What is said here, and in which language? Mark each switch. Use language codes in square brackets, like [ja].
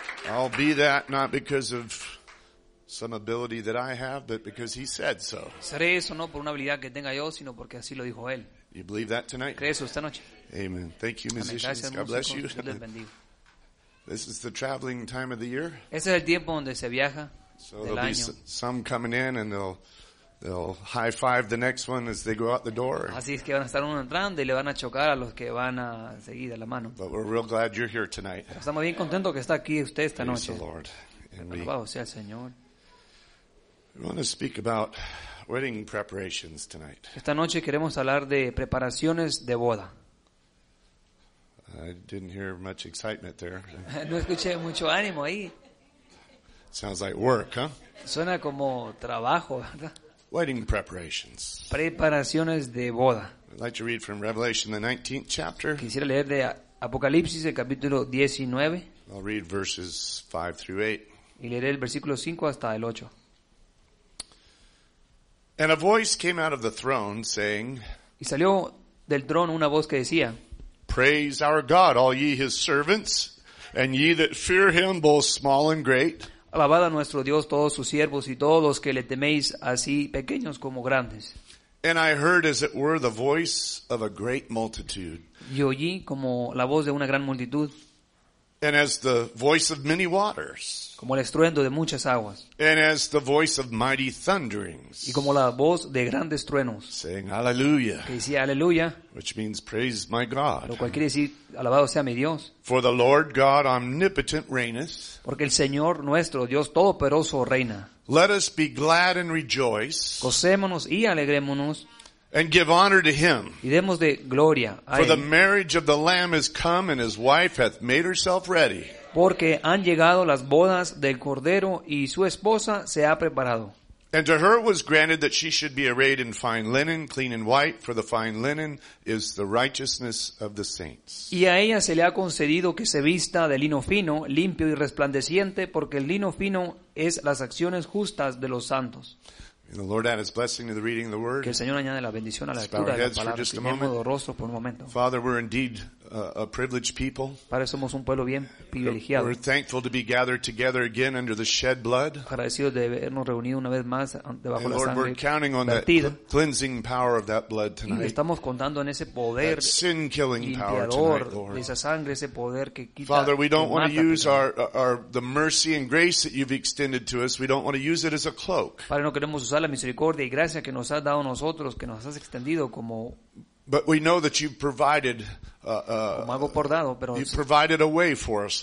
[en] I'll be that not because of some ability that I have, but because he said so. [es] Seré eso no por una habilidad que tenga yo, sino porque así lo dijo él. [en] You believe that tonight? [es] ¿Crees esta noche? [en] Amen. Thank you, musicians. [es] Gracias, [en] God bless you. This is the traveling time of the year. [es] Ese es el tiempo donde se viaja. [en] So there'll be some coming in and they'll high five the next one as they go out the door. [es] Así es que van a estar uno entrando y le van a chocar a los que van a seguir a la mano. [en] But we're real glad you're here tonight. [es] Estamos bien contentos que está aquí usted esta noche. [en] Praise the Lord. [es] Alabado sea el Señor. [en] We want to speak about wedding preparations tonight. [es] Esta noche queremos hablar de preparaciones de boda. [en] I didn't hear much excitement there. [es] No escuché mucho ánimo ahí. [en] Sounds like work, huh? [es] Suena como trabajo, ¿verdad? [en] Wedding preparations. [es] Preparaciones de boda. [en] I'd like to read from Revelation, the 19th chapter. [es] Quisiera leer de Apocalipsis, el capítulo 19. [en] I'll read verses 5 through 8. [es] Y leeré el versículo 5 hasta el 8. [en] And a voice came out of the throne saying, [es] y salió del trono una voz que decía, [en] praise our God, all ye his servants, and ye that fear him, both small and great. [es] Alabad a nuestro Dios todos sus siervos y todos los que le teméis, así pequeños como grandes. [en] And I heard as it were the voice of a great multitude. [es] Y oí como la voz de una gran multitud. [en] And as the voice of many waters. [es] Como el estruendo de muchas aguas. [en] And as the voice of mighty thunderings. [es] Y como la voz de grandes truenos. [en] Saying hallelujah. [es] Que decía aleluya. [en] Which means praise my God. [es] Lo cual quiere decir alabado sea mi Dios. [en] For the Lord God omnipotent reigneth. [es] Porque el Señor nuestro Dios todopoderoso reina. [en] Let us be glad and rejoice. [es] Gocémonos y alegrémonos. [en] And give honor to him. [es] Y demos de gloria a [en] él. For the marriage of the Lamb is come, and his wife hath made herself ready. [es] Porque han llegado las bodas del Cordero, y su esposa se ha preparado. [en] And to her was granted that she should be arrayed in fine linen, clean and white, for the fine linen is the righteousness of the saints. [es] Y a ella se le ha concedido que se vista de lino fino, limpio y resplandeciente, porque el lino fino es las acciones justas de los santos. [en] And the Lord add his blessing to the reading of the word. [es] Que el Señor añade la bendición a la lectura de la palabra. [en] Bow our heads for just a moment. Father, we're indeed a privileged people. [es] Padre, somos un pueblo bien privilegiado. [en] We're thankful to be gathered together again under the shed blood. [es] Agradecidos de vernos reunidos una vez más debajo de la sangre. [en] And Lord, we're counting on that cleansing power of that blood tonight. [es] Y estamos contando en ese poder. [en] That sin-killing power tonight, Lord. [es] De esa sangre, ese poder que quita. [en] Father, we don't want to use the mercy and grace that you've extended to us. We don't want to use it as a cloak. [es] Padre, no queremos usar la misericordia y gracia que nos has dado nosotros, que nos has extendido como. [en] But we know that you've provided [es] como algo por dado, pero [en] you've provided a way for us,